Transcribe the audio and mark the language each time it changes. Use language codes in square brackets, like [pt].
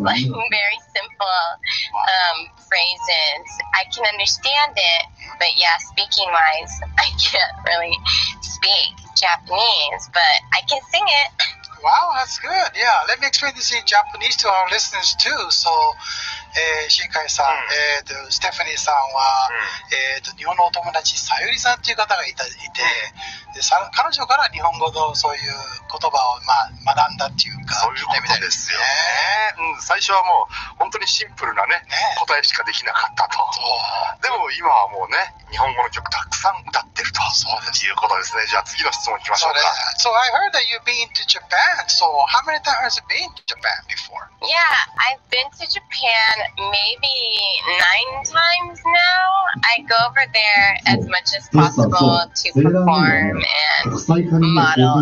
[en] Like very simple phrases. I can understand it, but yeah, speaking wise, I can't really speak Japanese, but I can sing it. Wow, that's good. Yeah, let me explain this in Japanese to our listeners too. [ja] So, Shinkai-san,、mm. Stephanie-san は、mm. 日本のお友達、さゆりさんという方がいて、mm. 彼女から日本語のそういう言葉を、まあ、学んだっていうか、そういうことですよね。ね、うん、最初はもう本当にシンプルな、ねね、答えしかできなかったと。でも今はもうね、日本語の曲たくさん歌ってるということですね。じゃあ次の質問いきましょうか。 [en] So I heard that you've been to Japan. So how many times have you been to Japan before? Yeah, I've been to Japan maybe 9 times now. I go over there as much as possible to perform and model.